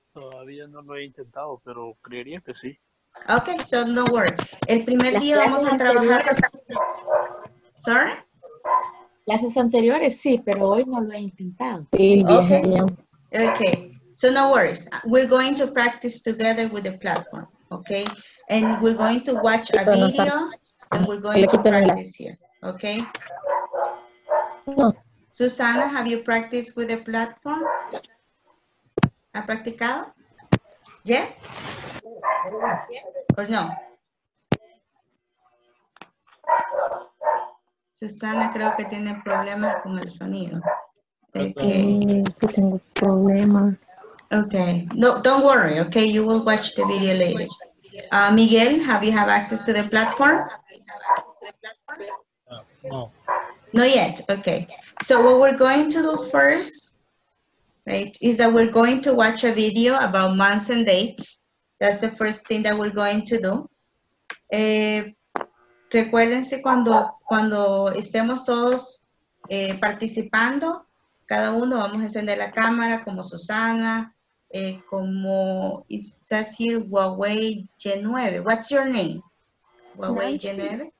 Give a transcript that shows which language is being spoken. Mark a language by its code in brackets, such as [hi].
[es] Todavía no lo he intentado, pero creería que sí. [en] Okay, so no worries. [es] El primer día vamos a trabajar... [en] Sorry? [es] Clases anteriores, sí, pero hoy no lo he intentado. [en] Okay. So no worries. We're going to practice together with the platform, okay? And we're going to watch a video and we're going to practice here, okay? No. Susana, have you practiced with the platform? [es] ¿Ha practicado? [en] Yes? Or no? [es] Susana, creo que tiene problemas con el sonido. Okay. Tengo problemas. [en] Okay, no, don't worry, okay, you will watch the video later. Miguel, have you have access to the platform? No. Not yet, okay. So what we're going to do first, right, is that we're going to watch a video about months and dates. That's the first thing that we're going to do. [es] Recuérdense cuando estemos todos participando, cada uno vamos a encender la cámara como Susana, como [en] it says here, [es] Huawei Geneve. [en] What's your name? Huawei Geneve?